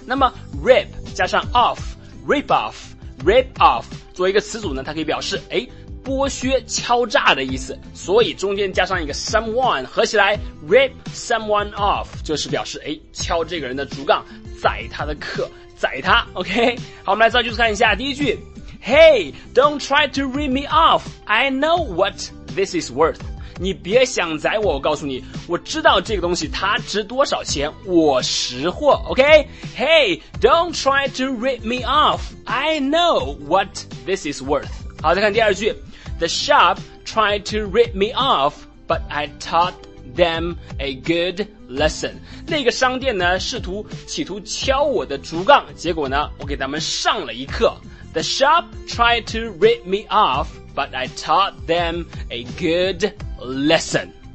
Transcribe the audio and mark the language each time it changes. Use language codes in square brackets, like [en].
[zh] 那么 Rip 加上 offRip off, rip off 作为一个词组呢，它可以表示剥削敲诈的意思，所以中间加上一个 someone， 合起来 [en] rip someone off [zh] 就是表示敲这个人的竹杠，宰他的客，宰他。 OK， 好，我们来造句子看一下。第一句， [en] Hey, don't try to rip me off, I know what this is worth。 [zh] 你别想宰我，我告诉你，我知道这个东西它值多少钱，我识货。 [en] OK， Hey, don't try to rip me off, I know what this is worth。 [zh] 好，再看第二句， [en] The shop tried to rip me off, but I taught them a good lesson。 [zh] 那个商店呢企图敲我的竹杠，结果呢我给他们上了一课。 [en] The shop tried to rip me off, but I taught them a good lesson。